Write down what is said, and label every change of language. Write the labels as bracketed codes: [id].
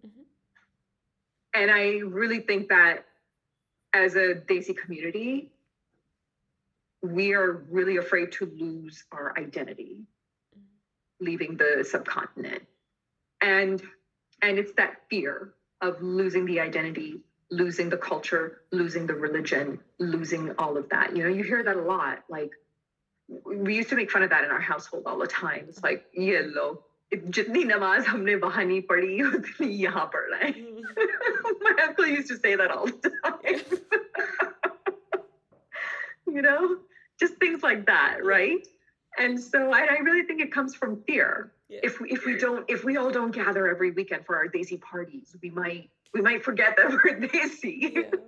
[en] Mm-hmm. And I really think that as a Desi community, we are really afraid to lose our identity, mm-hmm. leaving the subcontinent. And it's that fear of losing the identity, losing the culture, losing the religion, losing all of that. You know, you hear that a lot. Like, we used to make fun of that in our household all the time. It's like, [ur] یہ لو, جتنی نماز ہمنے باہر نہیں پڑھی, اتنی یہاں پر رہے. [en] My uncle used to say that all the time. You know, just things like that, right? And so I really think it comes from fear. If we all don't gather every weekend for our Desi parties, we might forget that we're Desi. Yeah.